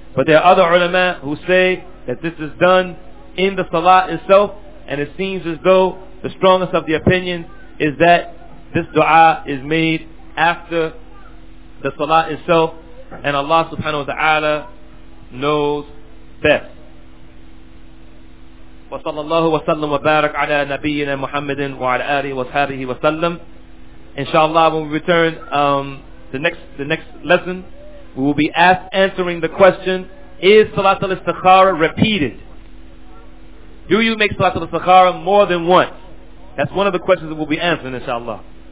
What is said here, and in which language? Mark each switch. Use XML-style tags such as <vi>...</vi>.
<en>But there are other ulama who say that this is done in the salah itself, and it seems as though the strongest of the opinions is that this dua is made after the salah itself, and Allah subhanahu wa ta'ala knows best.</en> <ar>وصلى الله وسلم وبارك على نبينا محمد وعلى آله وصحبه وسلم.</ar> <en>Inshallah, when we return the next lesson, we will be answering the question, is Salat al-Istikhara repeated? Do you make Salat al-Istikhara more than once? That's one of the questions that we'll be answering, inshallah.</en>